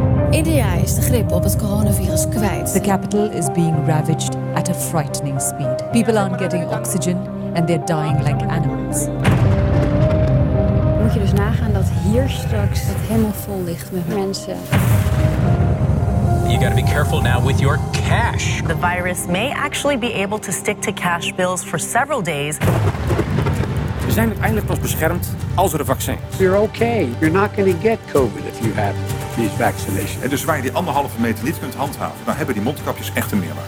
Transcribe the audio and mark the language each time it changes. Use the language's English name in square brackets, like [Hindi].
[Dutch] India is de grip op het coronavirus kwijt. [English] The capital is being ravaged at a frightening speed. People aren't getting oxygen and they're dying like animals. [Dutch] Moet je dus nagaan dat hier straks het helemaal vol ligt met mensen. [English] You gotta be careful now with your cash. The virus may actually be able to stick to cash bills for several days. [Dutch] We zijn uiteindelijk pas beschermd als er een vaccin is. [English] You're okay. You're not gonna get COVID if you have these vaccinations. [Dutch] En dus waar je die anderhalve meter niet kunt handhaven, dan hebben die mondkapjes echt een meerwaarde.